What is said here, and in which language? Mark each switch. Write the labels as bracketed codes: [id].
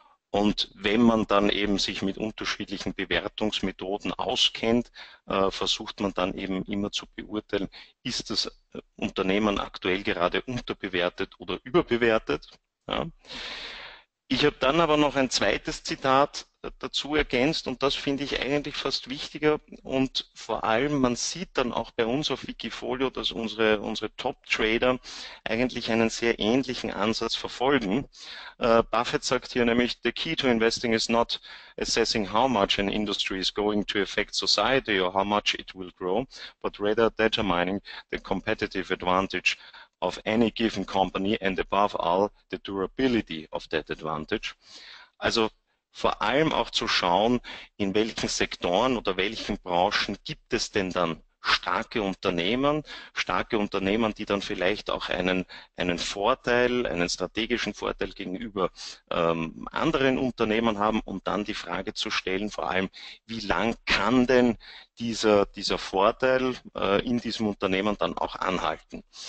[de] Und wenn man dann eben sich mit unterschiedlichen Bewertungsmethoden auskennt, versucht man dann eben immer zu beurteilen, ist das Unternehmen aktuell gerade unterbewertet oder überbewertet? Ja. Ich habe dann aber noch ein zweites Zitat dazu ergänzt und das finde ich eigentlich fast wichtiger und vor allem, man sieht dann auch bei uns auf Wikifolio, dass unsere Top-Trader eigentlich einen sehr ähnlichen Ansatz verfolgen. Buffett sagt hier nämlich, [en] the key to investing is not assessing how much an industry is going to affect society or how much it will grow, but rather determining the competitive advantage of any given company and above all the durability of that advantage. [de] Also vor allem auch zu schauen, in welchen Sektoren oder welchen Branchen gibt es denn dann starke Unternehmen, die dann vielleicht auch einen Vorteil, einen strategischen Vorteil gegenüber anderen Unternehmen haben und dann die Frage zu stellen, vor allem, wie lang kann denn dieser Vorteil in diesem Unternehmen dann auch anhalten?